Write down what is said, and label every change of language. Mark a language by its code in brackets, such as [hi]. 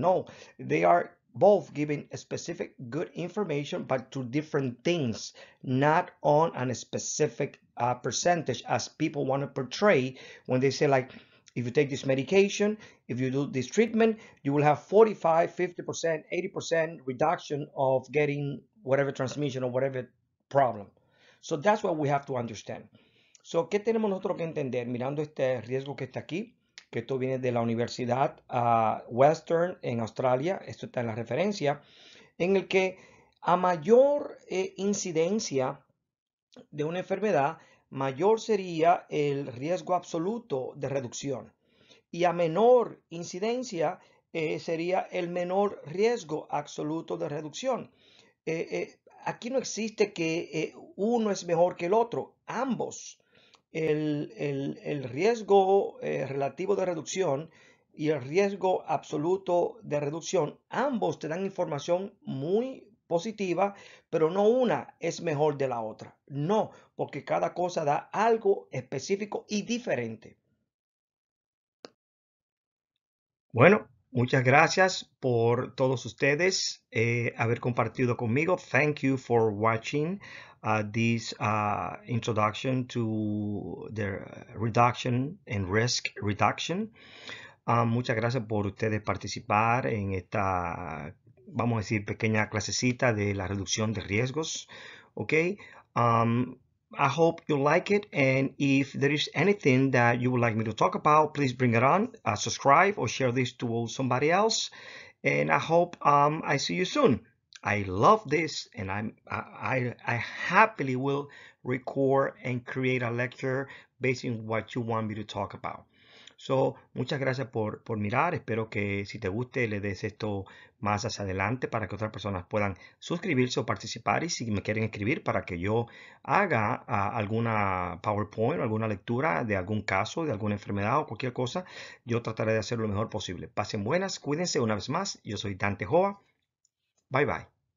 [en] No, they are both giving specific good information, but to different things, not on a specific percentage as people want to portray when they say like, If you take this medication, if you do this treatment, you will have 45, 50%, 80% reduction of getting whatever transmission or whatever problem. So that's what we have to understand. [es] So, ¿qué tenemos nosotros que entender mirando este riesgo que está aquí? Que esto viene de la Universidad Western en Australia. Esto está en la referencia. En el que a mayor incidencia de una enfermedad, mayor sería el riesgo absoluto de reducción. Y a menor incidencia sería el menor riesgo absoluto de reducción. Aquí no existe que uno es mejor que el otro. Ambos. El riesgo relativo de reducción y el riesgo absoluto de reducción, ambos te dan información muy positiva, pero no una es mejor de la otra. No, porque cada cosa da algo específico y diferente. Bueno, muchas gracias por todos ustedes haber compartido conmigo. [en] Thank you for watching this introduction to the reduction and risk reduction. [es] Muchas gracias por ustedes participar en esta, vamos a decir, pequeña clasecita de la reducción de riesgos. [en] Okay. I hope you like it. And if there is anything that you would like me to talk about, please bring it on. Subscribe or share this to somebody else. And I hope I see you soon. I love this, and I happily will record and create a lecture based on what you want me to talk about. [es] So, muchas gracias por mirar. Espero que si te guste, le des esto más hacia adelante para que otras personas puedan suscribirse o participar. Y si me quieren escribir para que yo haga alguna PowerPoint o alguna lectura de algún caso, de alguna enfermedad o cualquier cosa, yo trataré de hacer lo mejor posible. Pasen buenas, cuídense una vez más. Yo soy Dante Joa. Bye, bye.